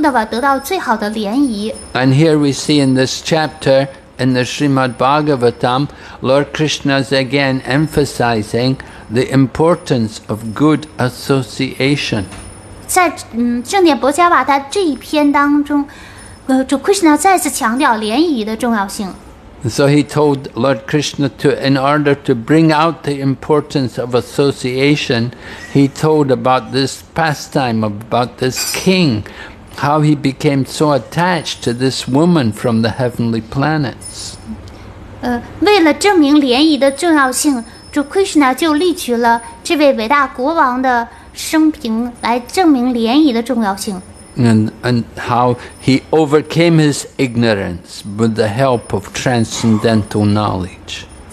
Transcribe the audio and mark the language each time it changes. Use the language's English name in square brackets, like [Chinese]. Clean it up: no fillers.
[Chinese] 他希望乌德瓦得到最好的联谊。And [English] here we see in this chapter in the Srimad Bhagavatam, Lord Krishna is again emphasizing the importance of good association. [Chinese] 在正念博伽瓦他这一篇当中。主 Krishna 再次强调联谊的重要性。 [English] So he told Lord Krishna to, in order to bring out the importance of association, he told about this pastime, about this king, how he became so attached to this woman from the heavenly planets. [Chinese] 为了证明联谊的重要性, 主 Krishna 就例举了这位伟大国王的生平来证明联谊的重要性。 [English] And how he overcame his ignorance with the help of transcendental knowledge.